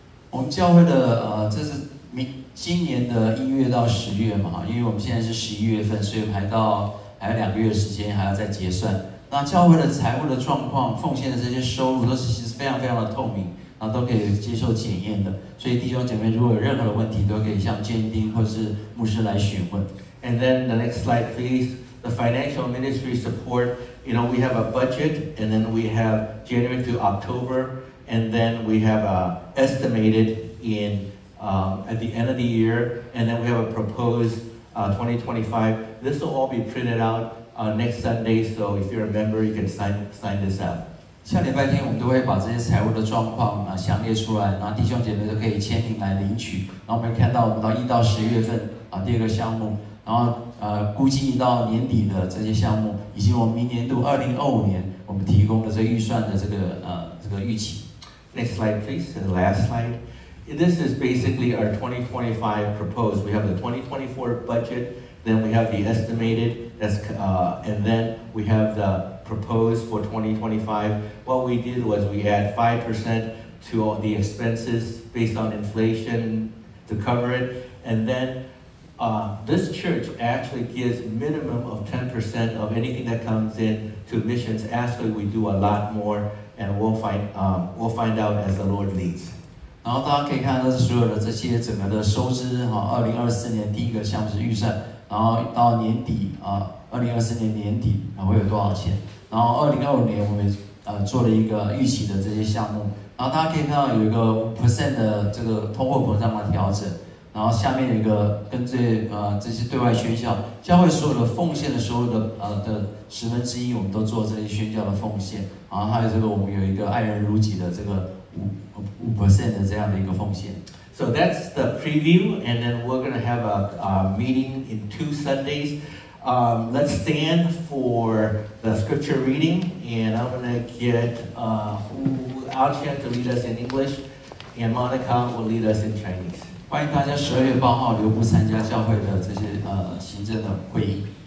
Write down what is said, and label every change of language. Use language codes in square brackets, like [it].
[zh] 我们教会的这是今年的一月到十月嘛，因为我们现在是十一月份，所以排到还有两个月的时间还要再结算。那教会的财务的状况，奉献的这些收入都是其实非常非常的透明，然后都可以接受检验的。所以弟兄姐妹如果有任何的问题，都可以向监丁或是牧师来询问。 [en] And then the next slide, please. The financial ministry support. You know, we have a budget, and then we have January to October, and then we have a estimated in at the end of the year, and then we have a proposed 2025. This will all be printed out. Next Sunday, so if you're a member, you can sign this up. [zh] 下礼拜天我们都会把这些财务的状况啊详列出来，然后弟兄姐妹都可以签名来领取。然后我们看到我们到一到十月份啊第二个项目，然后估计到年底的这些项目，以及我们明年度2025年我们提供的这预算的这个预期。 [en] Next slide, please. And last slide. This is basically our 2025 proposed. We have the 2024 budget. Then we have the estimated, and then we have the proposed for 2025. What we did was we add 5% to all the expenses based on inflation to cover it. And then this church actually gives minimum of 10% of anything that comes in to missions. Actually, we do a lot more, and we'll find out as the Lord leads. [zh] 然后大家可以看到是所有的这些整个的收支哈，2024年第一个项目是预算，然后到年底啊，2024年年底啊会有多少钱？然后2025年我们做了一个预期的这些项目，然后大家可以看到有一个 percent 的这个通货膨胀的调整，然后下面有一个跟这这些对外宣教教会所有的奉献的收入的十分之一，我们都做这些宣教的奉献，然后还有这个我们有一个爱人如己的这个。 5% 的这样的一个奉献。 [en] So that's the preview, and then we're going to have a meeting in two Sundays. Let's stand for the scripture reading, and I'm going to get Alchan to lead us in English, and Monica will lead us in Chinese. [zh] 欢迎大家十二月八号留步参加教会的这些行政的会议。